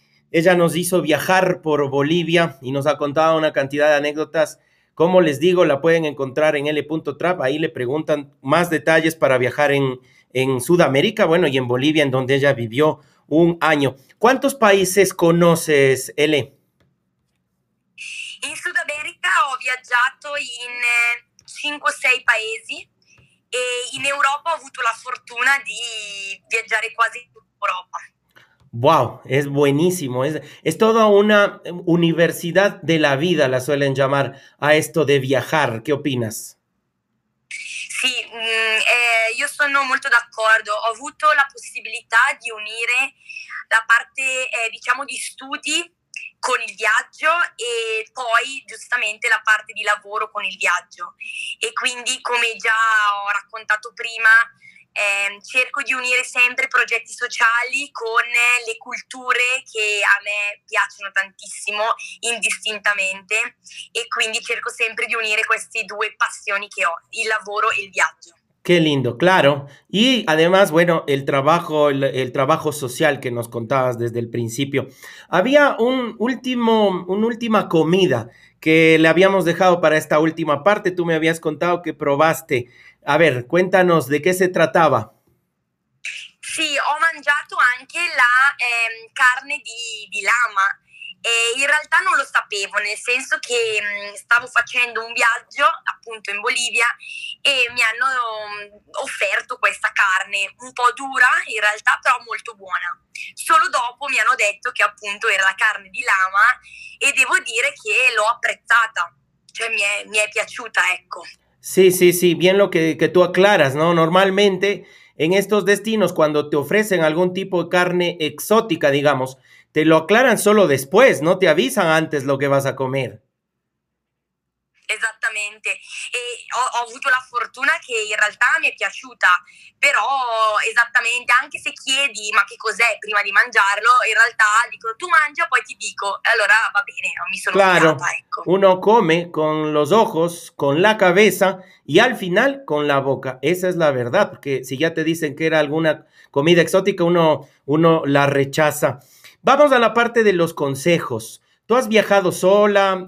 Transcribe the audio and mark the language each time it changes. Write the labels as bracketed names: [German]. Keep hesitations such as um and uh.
[Spanish] Ella nos hizo viajar por Bolivia y nos ha contado una cantidad de anécdotas. Como les digo, la pueden encontrar en L.trap. Ahí le preguntan más detalles para viajar en, en Sudamérica, bueno, y en Bolivia, en donde ella vivió un año. ¿Cuántos países conoces, L? [Italian] In Sud America ho viaggiato in 5-6 paesi e in Europa ho avuto la fortuna di viaggiare quasi in tutta Europa. [Spanish] Wow, es buenísimo. Es, es toda una eh, universidad de la vida, la suelen llamar a esto de viajar. ¿Qué opinas? [Italian] Sì, mh, eh, io sono molto d'accordo. Ho avuto la possibilità di unire la parte, eh, diciamo, di studi con il viaggio e poi giustamente la parte di lavoro con il viaggio. E quindi come già ho raccontato prima, eh, cerco di unire sempre progetti sociali con le culture che a me piacciono tantissimo indistintamente e quindi cerco sempre di unire queste due passioni che ho, il lavoro e il viaggio. [Spanish] Qué lindo, claro. Y además, bueno, el trabajo, el, el, trabajo social que nos contabas desde el principio. Había un último, una última comida que le habíamos dejado para esta última parte. Tú me habías contado que probaste. A ver, cuéntanos de qué se trataba. [Italian] Sí, ho mangiato anche la eh, carne di, di lama. E in realtà non lo sapevo, nel senso che stavo facendo un viaggio appunto in Bolivia e mi hanno offerto questa carne un po' dura in realtà però molto buona. Solo dopo mi hanno detto che appunto era la carne di lama e devo dire che l'ho apprezzata, cioè mi è, mi è piaciuta ecco. [Spanish] Sí, sí, sí, bien lo que, que tú aclaras, ¿no? Normalmente en estos destinos cuando te ofrecen algún tipo de carne exótica, digamos, te lo aclaran solo después, no te avisan antes lo que vas a comer. [Italian] Esattamente, e ho, ho, avuto la fortuna che in realtà mi è piaciuta, però esattamente, anche se chiedi ma che cos'è prima di mangiarlo, in realtà dicono tu mangia, poi ti dico, allora va bene, non mi sono [Spanish] Claro, [Italian] mirata, ecco. [Spanish] uno come con los ojos, con la cabeza y al final con la boca, esa es la verdad, porque si ya te dicen que era alguna comida exótica, uno, uno la rechaza. Vamos a la parte de los consejos. ¿Tú has viajado sola?